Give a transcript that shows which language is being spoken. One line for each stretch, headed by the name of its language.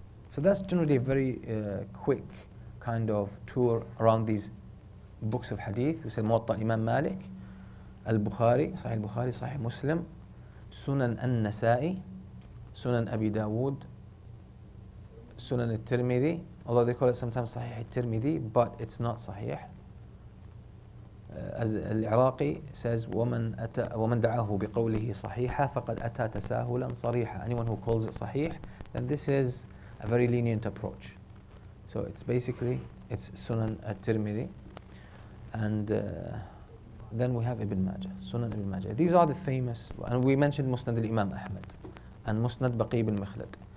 English: So that's generally a very quick kind of tour around these books of hadith. We said Muwatta Imam Malik, Al-Bukhari, Sahih Al-Bukhari, Sahih Muslim, Sunan An-Nasa'i, Sunan Abi Dawood, Sunan Al-Tirmidhi, although they call it sometimes Sahih Al-Tirmidhi, but it's not Sahih. As Al-Iraqi says,
Arabic: وَمَنْ دَعَاهُ بِقَوْلِهِ صَحِيحًا فَقَدْ أَتَى تَسَاهُلًا صَرِيحًا.
English: Anyone who calls it Sahih, then this is a very lenient approach. So it's basically, it's Sunan Al-Tirmidhi. And then we have Ibn Majah, Sunan Ibn Majah. These are the famous, and we mentioned Musnad al-Imam Ahmad and Musnad Baqi ibn Mikhlad.